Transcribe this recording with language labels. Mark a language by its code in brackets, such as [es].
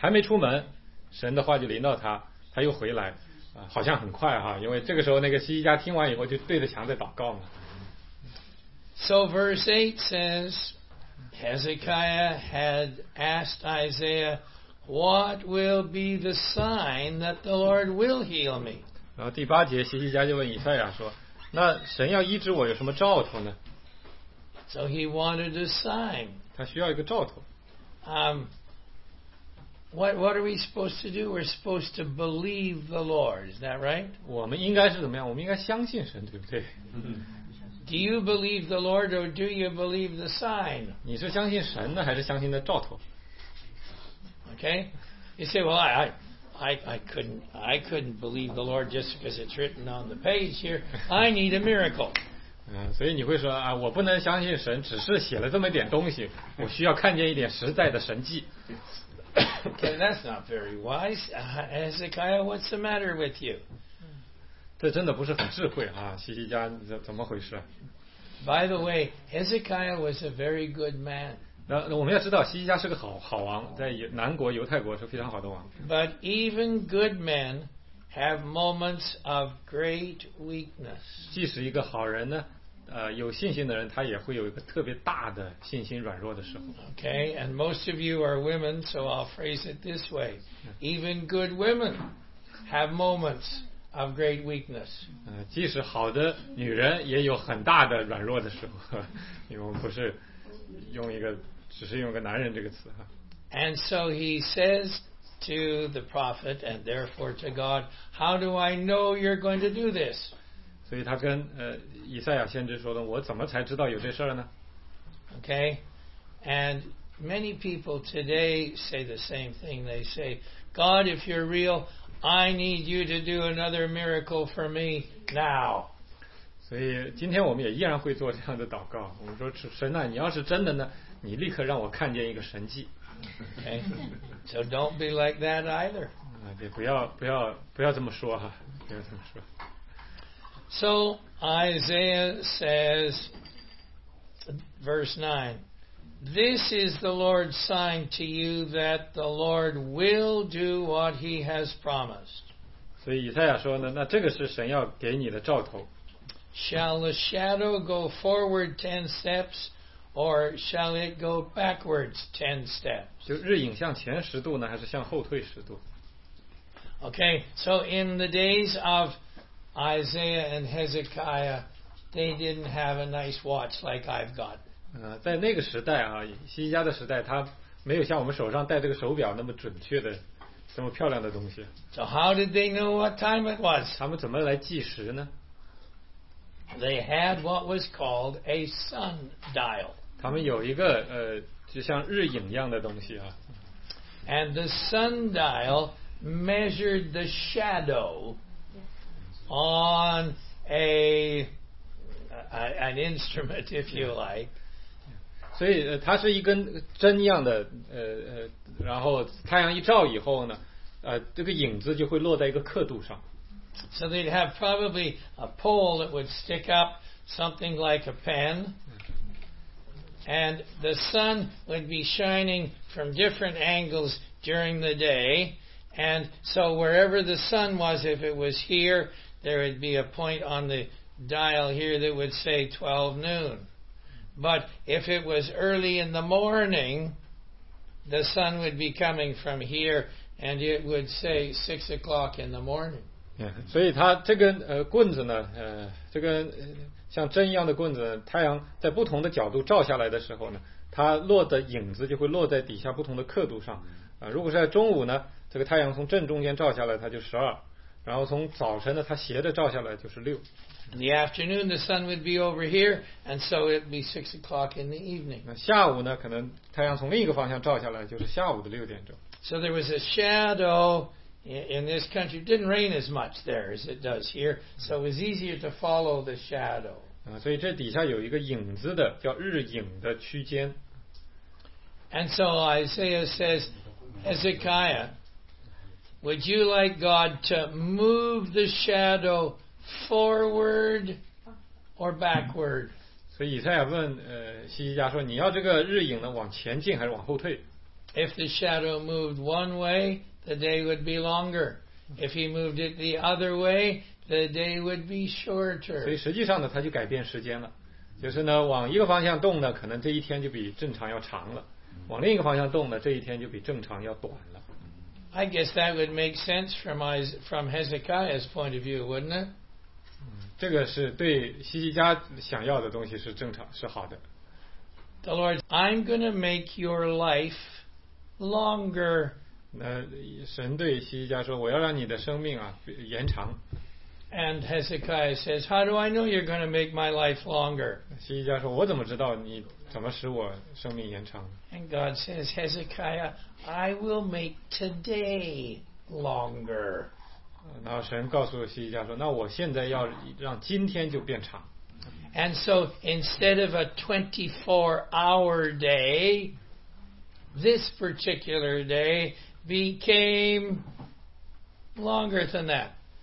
[zh] 所以以赛亚在当时你可以想象那个画面，以赛亚讲完呢，先都讲完就走了，还没出门，神的话就临到他，他又回来。好像很快哈，因为这个时候那个西西家听完以后就对着墙在祷告嘛。 [en] So verse 8 says, Hezekiah had asked Isaiah, what will be the sign that the Lord will heal me? [zh] 然后第八节西西家就问以赛亚说，那神要医治我有什么兆头呢？ [en] So he wanted a sign. [zh] 他需要一个兆头。 [en] What are we supposed to do? We're supposed to believe the Lord. Is that right? [zh] 我们应该是怎么样？我们应该相信神，对不对？ [en] Do you believe the Lord or do you believe the sign? [zh] 你是相信神的还是相信的兆头？ [en] Okay, you say, well, I couldn't believe the Lord just because it's written on the page here. I need a miracle. [zh] 所以你会说啊，我不能相信神，只是写了这么一点东西，我需要看见一点实在的神迹。 [en] Okay, that's not very wise. Hezekiah, what's the matter with you? [zh] 这真的不是很智慧啊，西西家怎么回事？ [en] By the way, Hezekiah was a very good man. [zh] 我们要知道西西家是个好王，在南国犹太国是非常好的王。 [en] But even good men have moments of great weakness. [zh] 即使一个好人呢，有信心的人他也会有一个特别大的信心软弱的时候。 [en] Okay, and most of you are women, so I'll phrase it this way. Even good women have moments of great weakness. [zh] 即使好的女人也有很大的软弱的时候，因为我们不是用一个，只是用一个男人这个词。 [en] And so he says to the prophet and therefore to God, how do I know you're going to do this? [zh] 所以他跟以赛亚先知说的，我怎么才知道有这事儿呢？ [en] Okay, and many people today say the same thing. They say, God, if you're real, I need you to do another miracle for me now. [zh] 所以今天我们也依然会做这样的祷告，我们说，神啊，你要是真的呢，你立刻让我看见一个神迹。 [en] Okay, so don't be like that either. [zh] 对，不要这么说哈，不要这么说。 [en] So Isaiah says, verse 9, this is the Lord's sign to you that the Lord will do what he has promised. [zh] 所以以赛亚说呢，那这个是神要给你的兆头。 [en] Shall the shadow go forward 10 steps or shall it go backwards 10 steps? [zh] 就日影向前十度呢，还是向后退十度？ [en] Okay, so in the days of Isaiah and Hezekiah, they didn't have a nice watch like I've got. [zh] 在那个时代啊，西西家的时代，他没有像我们手上戴这个手表那么准确的，这么漂亮的东西。 [en] So how did they know what time it was? [zh] 他们怎么来计时呢？ [en] They had what was called a sun dial. [zh] 他们有一个就像日影一样的东西啊。 [en] And the sun dial measured the shadow on an instrument, if you like. [zh] 所以它是一根针一样的，然后太阳一照以后呢，这个影子就会落在一个刻度上。 [en] So they'd have probably a pole that would stick up something like a pen, and the sun would be shining from different angles during the day, and so wherever the sun was, if it was here, there would be a point on the dial here that would say 12 noon. But if it was early in the morning, the sun would be coming from here and it would say 6 o'clock in the morning. [zh] Yeah, 所以它这根棍子呢，这根像针一样的棍子，太阳在不同的角度照下来的时候呢，它落的影子就会落在底下不同的刻度上。如果是在中午呢，这个太阳从正中间照下来，它就12。然后从早晨呢，它斜着照下来就是6。 [en] In the afternoon, the sun would be over here, and so it'd be 6 o'clock in the evening. [zh] 那下午呢，可能太阳从另一个方向照下来，就是下午的6点钟。 [en] So there was a shadow in this country. It didn't rain as much there as it does here, so it was easier to follow the shadow. [zh] 所以这底下有一个影子的，叫日影的区间。 [en] And so Isaiah says, Hezekiah, would you like God to move the shadow forward or backward? [zh] 所以以赛亚问西西家说，你要这个日影呢往前进还是往后退？ [en] If the shadow moved one way, the day would be longer. If he moved it the other way, the day would be shorter. [zh] 所以实际上呢，他就改变时间了，就是呢往一个方向动呢，可能这一天就比正常要长了；往另一个方向动呢，这一天就比正常要短了。 [en] I guess that would make sense from Hezekiah's point of view, wouldn't it? [zh] 这个是对西西家想要的东西是正常，是好的。 [en] The Lord, I'm going to make your life longer [zh] 那神对西西家说，我要让你的生命啊延长。 [en] And Hezekiah says, how do I know you're going to make my life longer? [zh] 西西家说，我怎么知道你怎么使我生命延长？ [en] And God says, Hezekiah, I will make today longer. [zh] 然后神告诉西西家说，那我现在要让今天就变长。 [en] And so instead of a 24-hour day, this particular day became longer than that.